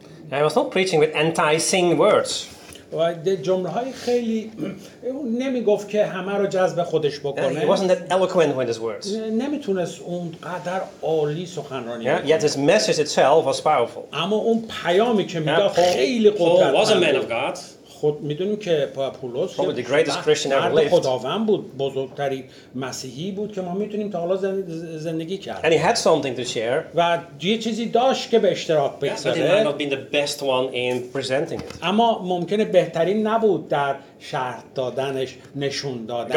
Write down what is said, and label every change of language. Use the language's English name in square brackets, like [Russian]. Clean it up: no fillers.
[English] I was not preaching with enticing words. [Persian] و جمله های خیلی نمی گفت که همه رو جذب خودش بکنه. [English] He wasn't that eloquent with his words. [Persian] نمیتونست اون قدر عالی سخنرانی کنه. [English] Yet his message itself was powerful. [Persian] اما اون پیامی که میداد خیلی قدرتمند. [English] He was a man of God. [Persian] خود میدونیم که پاپولوس مرد خداوند بود، بزرگتری مسیحی بود که ما میتونیم تا حالا زندگی کرد. [English] And he had something to share. [Persian] و یه چیزی داشت که به اشتراک بگذاره. [English] But he might not been the best one in presenting it. [Persian] اما ممکنه بهترین نبود در شرح دادنش، نشون دادنش.